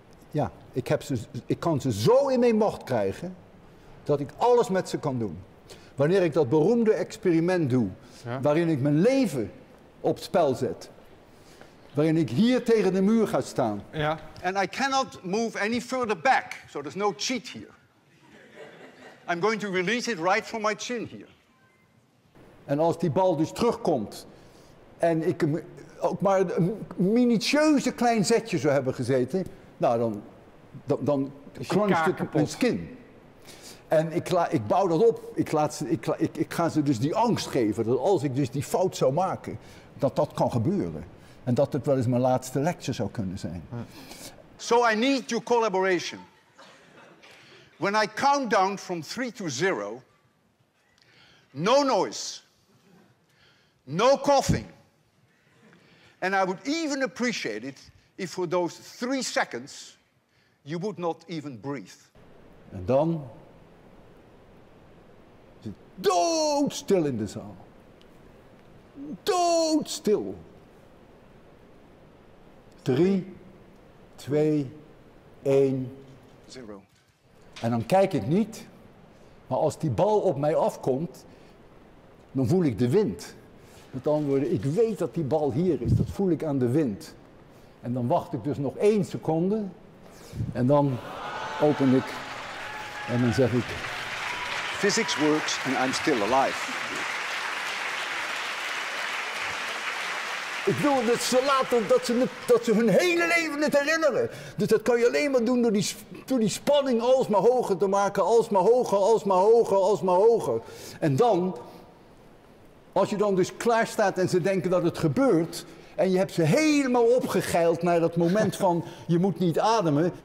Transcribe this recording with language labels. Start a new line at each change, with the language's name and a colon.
Dutch: Ja, ik kan ze zo in mijn macht krijgen dat ik alles met ze kan doen. Wanneer ik dat beroemde experiment doe, ja, waarin ik mijn leven op het spel zet, waarin ik hier tegen de muur ga staan. Ja.
English: And I cannot move any further back, so there's no cheat here. I'm going to release it right from my chin here.
Dutch: En als die bal dus terugkomt en ik ook maar een minutieuze klein zetje zou hebben gezeten, nou dan crunched het mijn skin. En ik bouw dat op. Ik ga ze dus die angst geven dat als ik dus die fout zou maken, dat kan gebeuren. En dat het wel eens mijn laatste lecture zou kunnen zijn.
English: So I need your collaboration. When I count down from 3 to 0, no noise. No coughing. And I would even appreciate it if for those 3 seconds you would not even breathe.
Dutch: En dan zit doodstil in de zaal. Doodstil.
English: 3, 2, 1, 0.
Dutch: En dan kijk ik niet, maar als die bal op mij afkomt, dan voel ik de wind. Met andere woorden, ik weet dat die bal hier is. Dat voel ik aan de wind. En dan wacht ik dus nog 1 seconde. En dan open ik. En dan zeg ik:
English: physics works and I'm still alive.
Dutch: Ik wil dat ze laten, dat ze hun hele leven het herinneren. Dus dat kan je alleen maar doen door die spanning alsmaar hoger te maken. Alsmaar hoger, alsmaar hoger, alsmaar hoger. En dan, als je dan dus klaar staat en ze denken dat het gebeurt, en je hebt ze helemaal opgegeild naar dat moment van je moet niet ademen.